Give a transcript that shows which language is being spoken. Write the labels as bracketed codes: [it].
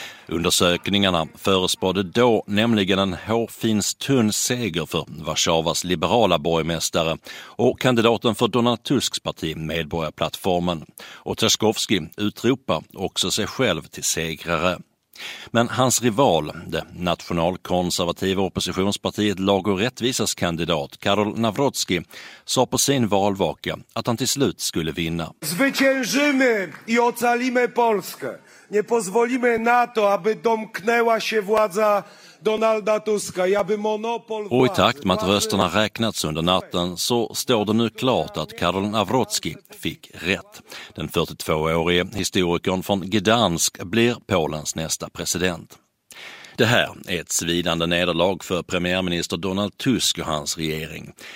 [sv] Undersökningarna förespådde då nämligen en hårfins tunn seger för Warszawas liberala borgmästare och kandidaten för Donald Tusks parti Medborgarplattformen. Och Trzaskowski utropar också sig själv till segrare. Men hans rival, det nationalkonservativa oppositionspartiet Lag och rättvisas kandidat Karol Nawrocki, sa på sin valvaka att han till slut skulle vinna. [pl] Zwyciężymy i ocalimy Polskę. Nie pozwolimy na to, aby domknęła się władza Donalda Tuska, aby monopol. [sv] Och i takt med att rösterna räknats under natten så står det nu klart att Karol Nawrocki fick rätt. Den 42-årige historikern från Gdansk blir Polens nästa president. Det här är ett svidande nederlag för premiärminister Donald Tusk och hans regering.